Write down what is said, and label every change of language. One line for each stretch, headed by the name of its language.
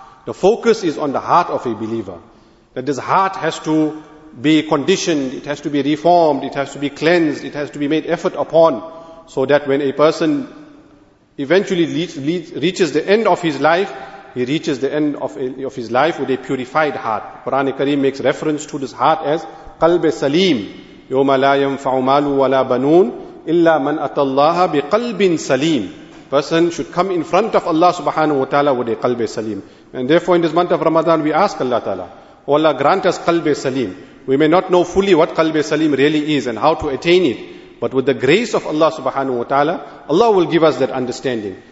English: The focus is on the heart of a believer. That this heart has to be conditioned, it has to be reformed, it has to be cleansed, it has to be made effort upon, so that when a person eventually reaches the end of his life, he reaches the end of his life with a purified heart. Quran Kareem makes reference to this heart as
Arabic: قَلْبِ سَلِيمٍ يَوْمَ لَا يَنْفَعُ مَالُ وَلَا بَنُونَ إِلَّا مَنْ أَتَى اللَّهَ بِقَلْبٍ سَلِيمٍ.
English: Person should come in front of Allah subhanahu wa ta'ala with a
Arabic: قَلْبِ سَلِيمٍ.
English: And therefore in this month of Ramadan we ask Allah ta'ala, O Allah, grant us qalb-e salim. We may not know fully what qalb-e salim really is and how to attain it, but with the grace of Allah subhanahu wa ta'ala, Allah will give us that understanding.